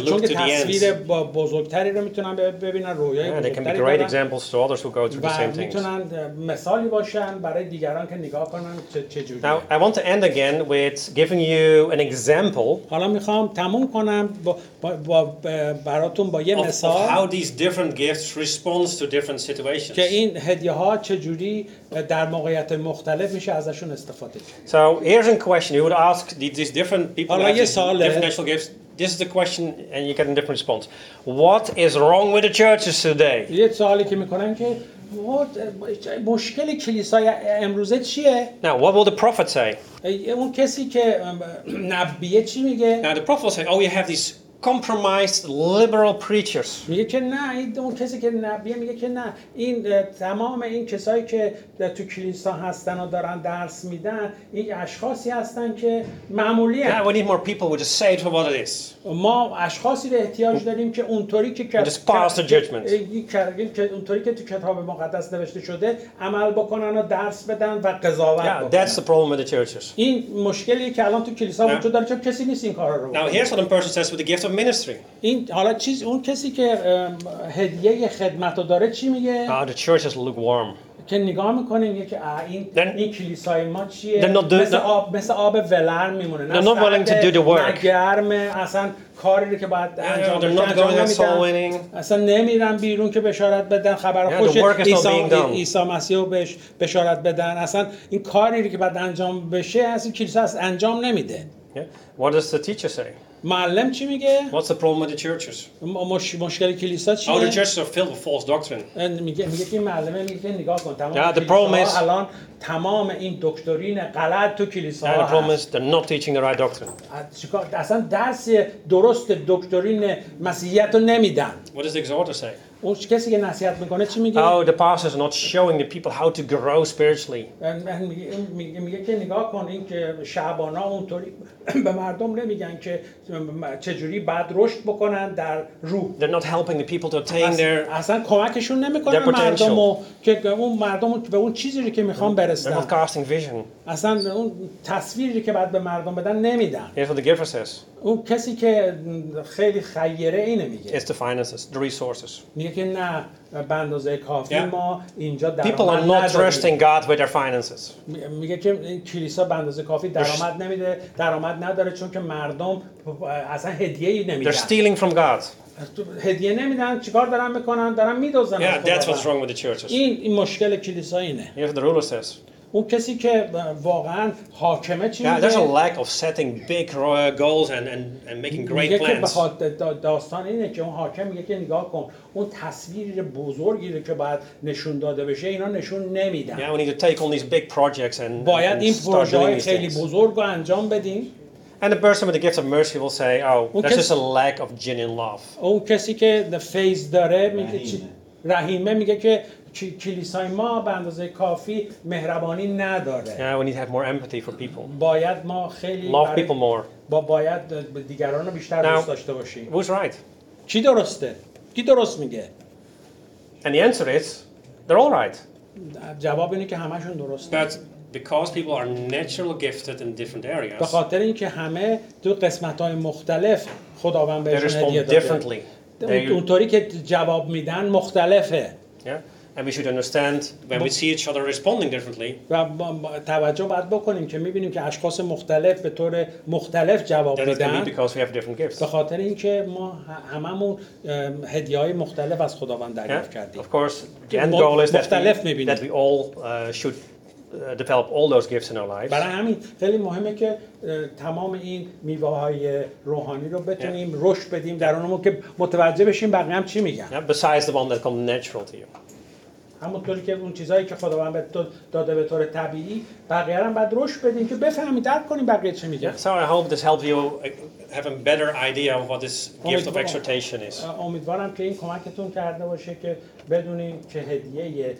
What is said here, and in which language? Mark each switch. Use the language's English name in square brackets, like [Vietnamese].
[Persian] چون که تصویر بزرگتری رو میتونن ببینن، رویای بزرگتری. میتونن مثالی باشن برای دیگران که نگاه کنن چه جوریه. [English] Now I want to end again with giving you an example. [Persian] حالا میخوام تموم کنم با براتون با یه مثال [English] how these different gifts respond to different situations. [Persian] که این هدیه ها چجوری در موقعیت مختلف میشه ازشون استفاده کرد. [English] So here's a question you would ask these different people about different natural gifts. This is the question and you get a different response. What is wrong with the churches today? [Persian] یه سوالی که میکنن که مشکل کلیسای امروزه چیه؟ [English] Now what will the prophet say? [Persian] اون کسی که نبیه چی میگه؟ [English] Now the prophet will say, oh, you have these compromised liberal preachers. [Persian] میگه که نه، اون کسی که نبیه میگه که نه، این تمام این کسایی که تو کلیسا هستن و دارن درس میدن، این اشخاصی هستن که معمولی هستن. [English] Yeah, we need more people who just say it for what it is. [Persian] ما اشخاصی به احتیاج داریم که اونطوری که [English] just pass the judgment. [Persian] اونطوری که تو کتاب مقدس نوشته شده عمل بکنن و درس بدن و قضاوت بکنن. [English] Yeah, that's the problem with the churches. [Persian] این مشکلی که الان تو کلیسا وجود داره، چون کسی نیست این کار رو بکنه. [English] Now here's what a person says with the gift of ministry. [Persian] این حالا چیز اون کسی که هدیه خدمت رو داره چی میگه؟ [English] The church is lukewarm. [Persian] که نگاه میکنیم یکی این کلیسای ما چیه؟ مثل آب ولر میمونه. [English] They're not willing to do the work. [Persian] نگرمه، اصلا کاری رو که باید انجام نمیدن. اصلا نمیرن بیرون که بشارت بدن خبر خوش عیسی مسیح رو بشارت بدن. اصلا این کاری رو که باید انجام بشه اصلا کلیسا اصلا انجام نمیده. [English] Yeah. What does the teacher say? [Persian] معلم چی میگه؟ [English] What's the problem with the churches? [Persian] مشکل کلیسا چیه؟ [English] All the churches are filled with false doctrine. [Persian] میگه که معلمه میگه که نگاه کن تمام [English] the problem is [Persian] الان تمام این دکترین غلط تو کلیسا هست. [English] The problem is they're not teaching the right doctrine. [Persian] اصلا درست دکترین مسیحیت رو نمیدن. [English] What does the exhorter say? [Persian] اون کسی که نصیحت میکنه چی میگه؟ [English] Oh, the pastor is not showing the people how to grow spiritually. [Persian] من میگه که نگاه کن این که شعبان ها اونطوری به مردم نمیگن که چجوری بعد رشد بکنن در روح. [English] They're not helping the people to attain their [Persian] اصلا کمکشون نمیکنه مردمو که اون مردم به اون چیزی که میخوان برسن. [English] They're not casting vision. [Persian] اصلا اون تصویری که بعد به مردم بدن نمیدن. [English] Here's what the giver says. [Persian] اون کسی که خیلی خیره اینه میگه. [English] It's the finances, the resources. [Persian] میگه که نه به اندازه کافی ما اینجا درآمد نداریم. [English] People are not trusting God with their finances. [Persian] میگه که کلیسا به اندازه کافی درآمد نمیده، درآمد نداره چون که مردم اصلا هدیه ای نمیدن. [English] They're stealing from God. [Persian] هدیه نمیدن، چیکار دارن میکنن؟ دارن میدوزن. [English] Yeah, that's what's wrong with the churches. [Persian] این مشکل کلیسا اینه. [English] If the ruler says. [Persian] اون کسی که واقعا حاکمه چی میگه؟ [English] There's a lack of setting big goals and making great plans. [Persian] میگه که بخاطر داستان اینه که اون حاکم میگه که نگاه کن اون تصویری بزرگی رو که باید نشون داده بشه اینا نشون نمیدن. [English] Yeah, we need to take on these big projects and [Persian] باید این پروژه های خیلی بزرگ رو انجام بدیم. [English] And the person with the gift of mercy will say, oh, that's just a lack of genuine love. [Persian] اون کسی که [English] the faith [Persian] داره میگه چی؟ رحیمه میگه که کلیسای ما به اندازه کافی مهربانی نداره. [English] Yeah, we need to have more empathy for people. [Persian] باید ما خیلی [English] love people more. [Persian] باید دیگران رو بیشتر دوست داشته باشیم. [English] Who's right? [Persian] کی درسته؟ کی درست میگه؟ [English] And the answer is, they're all right. [Persian] جواب اینه که همه‌شون درسته. [English] That's because people are naturally gifted in different areas. [Persian] به خاطر اینکه همه تو قسمت‌های مختلف خداوند بهشون هدیه داده. اونطوری که جواب میدن مختلفه. [English] Yeah. And we should understand when we see each other responding differently. [Persian] و توجه باید بکنیم که می‌بینیم که اشخاص مختلف به طور مختلف جواب میدن. [English] That is be because we have different gifts. [Persian] به خاطر اینکه ما هممون هدیه‌های مختلف از خداوند دریافت کردیم. [English] Of course, the end goal is that we all should develop all those gifts in our lives. [Persian] برای همین خیلی مهمه که تمام این میوه‌های روحانی رو بتونیم رشد بدیم درونمون که متوجه بشیم بقیه هم چی میگن. [English] Besides the one that comes natural to you. [Persian] همونطوری که اون چیزایی که خداوند به تو داده به طور طبیعی بقیه هم باید رشد بدیم که بفهمید درک کنیم بقیه چه میگه. [English] So I hope this helps you have a better idea of what this gift of exhortation is. [Persian] امیدوارم که این کمکتون کرده باشه که بدونیم که هدیه یه